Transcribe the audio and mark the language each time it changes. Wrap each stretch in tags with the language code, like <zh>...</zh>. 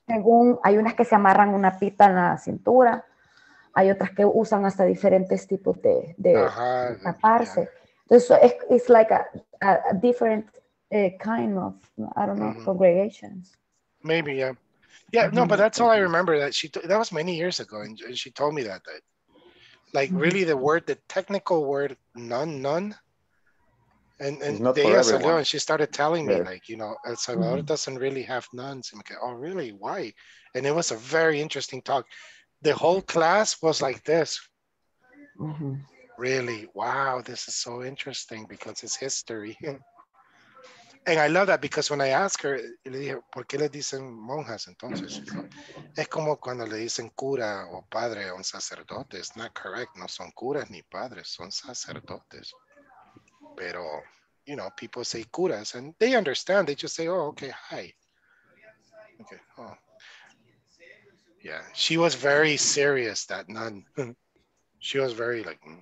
<es>Según, hay unas que se amarran una pita en la cintura, hay otras que usan hasta diferentes tipos de taparse.</es> <en>Yeah. So it's like a different kind of, I don't know, mm-hmm. congregations. Maybe, yeah. Yeah, no, but that's all I remember. That she that was many years ago, and she told me that like, mm-hmm. really the word, the technical word, nun, and years ago, and she started telling me, like, you know, El Salvador mm-hmm. doesn't really have nuns. I'm like, oh, really? Why? And it was a very interesting talk. The whole class was like this. Mm-hmm. Really? Wow, this is so interesting because it's history. And I love that because when I ask her,</en> <es>le dije, ¿por qué le dicen monjas entonces? Es como cuando le dicen cura o padre a un sacerdote.</es> <en>It's not correct.</en> <es>No son curas ni padres, son sacerdotes.</es> <en>Pero, you know, people say curas and they understand. They just say, oh, okay, hi. Okay, oh. Yeah, she was very serious, that nun. She was very like...</en>